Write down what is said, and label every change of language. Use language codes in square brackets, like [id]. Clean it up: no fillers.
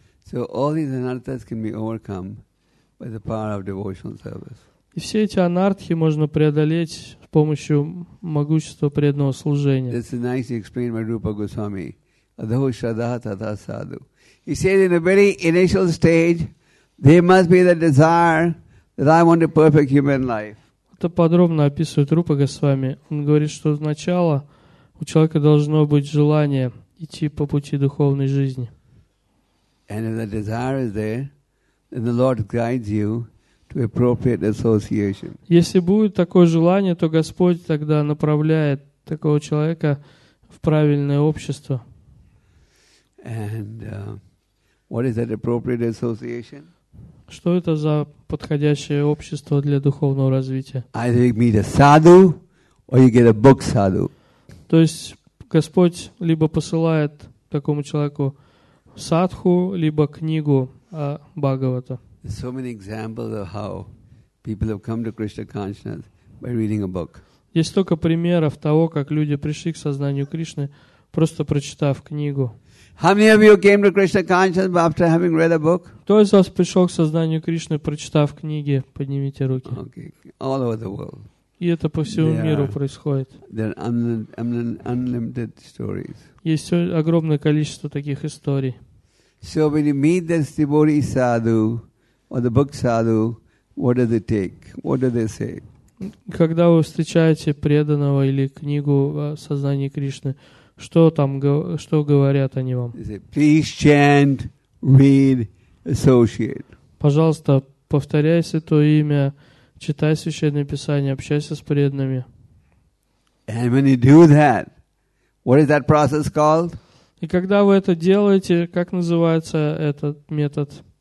[en] So all these anarthas can be overcome by the power of devotional service. [ru] И все эти анартхи можно преодолеть с помощью могущества преданного служения. [en] This is nicely explained by Rupa Goswami. [sa] Adho shraddha tatha sadhu. [en] He said in a very initial stage, there must be the desire that I want a perfect human life. [ru] Это подробно описывает Рупа Госвами. Он говорит, что сначала у человека должно быть желание идти по пути духовной жизни. [en] And if the desire is there, then the Lord guides you to appropriate association. [ru] Если будет такое желание, то Господь тогда направляет такого человека в правильное общество. [en] And what is that appropriate association? [ru] Что это за подходящее общество для духовного развития? [en] Either you meet a sadhu, or you get a book sadhu. [ru] То есть Господь либо посылает такому человеку садху, либо книгу Бхагавата. [en] There's so many examples of how people have come to Krishna consciousness by reading a book. [ru] Есть столько примеров того, как люди пришли к сознанию Кришны, просто прочитав книгу. [en] How many of you came to Krishna consciousness after having read a book? [ru] Кто из вас пришел к сознанию Кришны, прочитав книги? Поднимите руки. [en] All over the world. [ru] И это по всему миру происходит. [en] There are unlimited stories. [ru] Есть огромное количество таких историй. [en] So when you meet this devotee sadhu or the book sadhu, what does it take? What do they say? [ru] Когда вы встречаете преданного или книгу о сознании Кришны, что там, что говорят они вам? [en] Please chant, read, associate. [ru] Пожалуйста, повторяй Святое Имя, читай Священное Писание, общайся с преданными. [en] And when you do that, what is that process called? [ru] И когда вы это делаете, как называется этот метод?